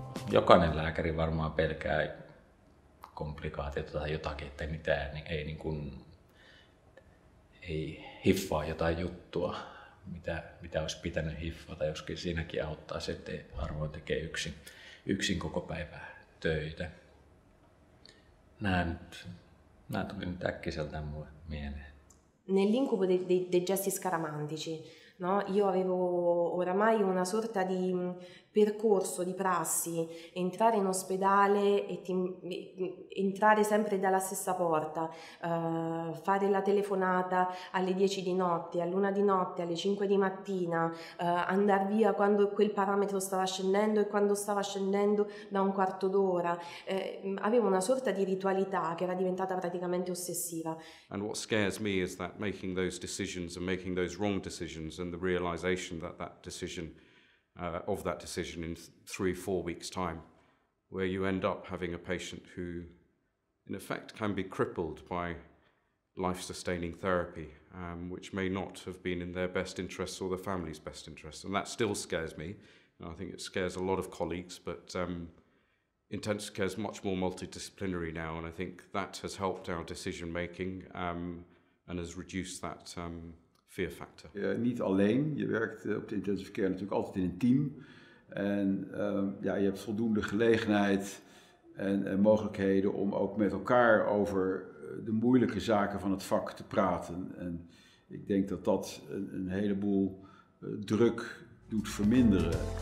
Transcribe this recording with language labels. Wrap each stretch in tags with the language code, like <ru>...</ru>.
<fi>Jokainen lääkäri varmaan pelkää komplikaatiota tai jotakin, että mitään, niin ei, niin kuin, ei hiffaa jotain juttua, mitä olisi pitänyt hiffata, joskin siinäkin auttaa se, että harvoin tekee yksin koko päivä töitä. Nämä tuli nyt äkkiseltä mulle mieleen.</fi> <it>Nell'incubo dei gesti scaramantici, no? Io avevo oramai una sorta di percorso, di prassi, entrare in ospedale e entrare sempre dalla stessa porta, fare la telefonata alle 10 di notte, all'una di notte, alle 5 di mattina, andare via quando quel parametro stava scendendo e quando stava scendendo da un quarto d'ora. Avevo una sorta di ritualità che era diventata praticamente ossessiva.</it> <en>And what scares me is that making those decisions and making those wrong decisions and the realization that that decision of that decision in 3-4 weeks time, where you end up having a patient who in effect can be crippled by life-sustaining therapy, which may not have been in their best interests or the family's best interests. And that still scares me, and I think it scares a lot of colleagues, but intensive care is much more multidisciplinary now, and I think that has helped our decision making and has reduced that fear factor.</en> <nl>Niet alleen, je werkt op de intensive care natuurlijk altijd in een team en ja, je hebt voldoende gelegenheid en mogelijkheden om ook met elkaar over de moeilijke zaken van het vak te praten en ik denk dat dat een heleboel druk doet verminderen.</nl>